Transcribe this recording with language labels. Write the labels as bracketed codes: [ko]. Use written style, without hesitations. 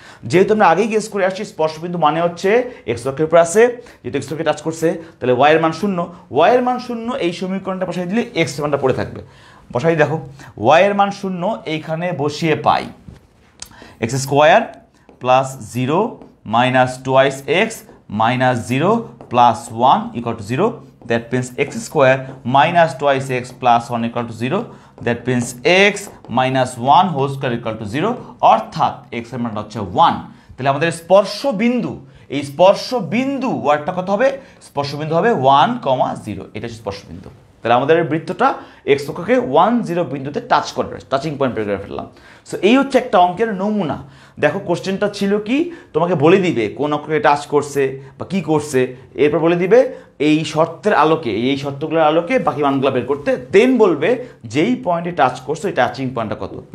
[bn] যেহেতু আমরা আগেই গেস করে আসছি স্পর্শবিন্দু মানে হচ্ছে এক্স অক্ষের উপর আছে, যেহেতু এক্স অক্ষে টাচ করছে তাহলে ওয়াইয়ের মান শূন্য, ওয়াইয়ের মান শূন্য এই সমীকরণটা বসাই দিলে এক্স মানটা পড়ে থাকবে, বসাই দেখো ওয়াইয়ের মান শূন্য এইখানে বসিয়ে পাই x square plus zero minus twice x [en] minus 0 plus 1 equal to 0. That means x square minus twice x plus 1 equal to 0. That means x minus 1 whole square equal to 0. Or that x amount of 1. [bn] তাহলে আমাদের স্পর্শ বিন্দু, এই স্পর্শ বিন্দু ওয়ার্ডটা কত হবে? স্পর্শ বিন্দু হবে 1, 0, এটা হচ্ছে স্পর্শ বিন্দু। তাহলে আমাদের বৃত্তটা x অক্ষকে 1, 0 বিন্দুতে টাচ করে, টাচিং পয়েন্ট পেয়ে ফেললাম। সো এই হচ্ছে একটা অঙ্কের নমুনা। দেখো কোশ্চেনটা ছিল কি, তোমাকে বলে দিবে কোন অক্ষকে টাচ করছে বা কি করছে, এরপর বলে দিবে এই শর্তের আলোকে, এই শর্তগুলোর আলোকে বাকি মানগুলো বের করতে, দেন বলবে যেই পয়েন্টে টাচ করছে ওই টাচিং পয়েন্টটা কত।